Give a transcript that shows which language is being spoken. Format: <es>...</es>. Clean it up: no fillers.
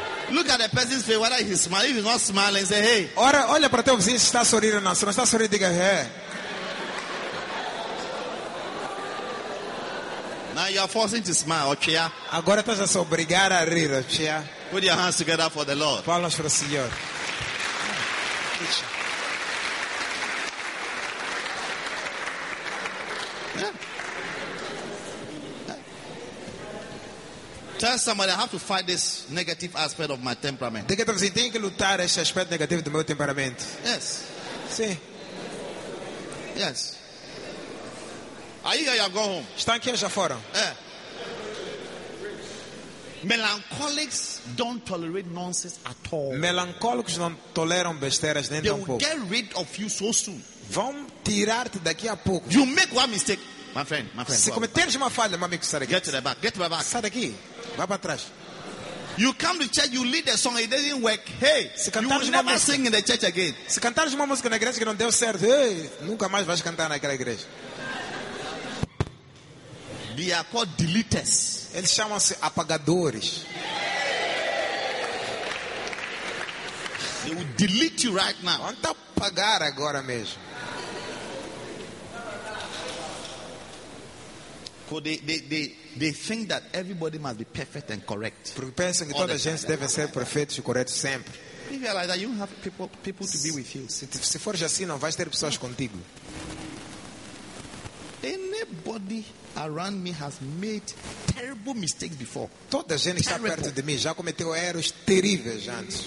<en>Look at the person's face, whether he's smiling, he's not smiling, say, hey.</en> <pt>Ora, olha para teu vizinho se está sorrindo ou não. Se não está sorrindo, diga, hey.</pt> <en>Now you are forcing to smile, okay?</en> <pt>Agora estás a se obrigar a rir, okay?</pt> <en>Put your hands together for the Lord.</en> <pt>Palmas para o Senhor.</pt> <en>Yeah. Tell somebody I have to fight this negative aspect of my temperament.</en> <pt>Diga a você, tenho que lutar esse aspecto negativo do meu temperamento.</pt> <en>Yes.</en> <pt>Sim.</pt> <en>Yes.</en> <pt>Aí eu</pt> <en>go home.</en> <pt>Está aqui já fora.</pt> <en>Yeah. Melancholics don't tolerate nonsense at all.</en> <pt>Melancólicos não toleram besteiras nem tampouco.</pt> <en>They will get rid of you so soon.</en> <pt>Vão tirar-te daqui a pouco.</pt> <en>You make one mistake, my friend.</en> <pt>Se cometeres uma falha, meu amigo, sai daqui.</pt> <en>Get to the back.</en> <pt>Sai daqui. Vá para trás.</pt> <en>You come to church, you lead a song, it doesn't work. Hey,</en> <pt>se</pt> <en>you will never</en> <pt>música,</pt> <en>sing in the church again.</en> <pt>Se cantares uma música na igreja que não deu certo, hey, nunca mais vais cantar naquela igreja.</pt> <en>They are called deleters.</en> <pt>Eles chamam-se apagadores.</pt> <en>They will delete you right now.</en> <pt>Vão te apagar agora mesmo.</pt> <en>They think that everybody must be perfect and correct.</en> <pt>Porque pensam que toda a gente deve ser perfeita e correta sempre.</pt> <en>You realize that you have people to be with you.</en> <pt>Se fores assim, não vais ter pessoas contigo.</pt> <en>Anybody around me has made terrible mistakes before.</en> <pt>Toda a gente que está perto de mim já cometeu erros terríveis antes.</pt>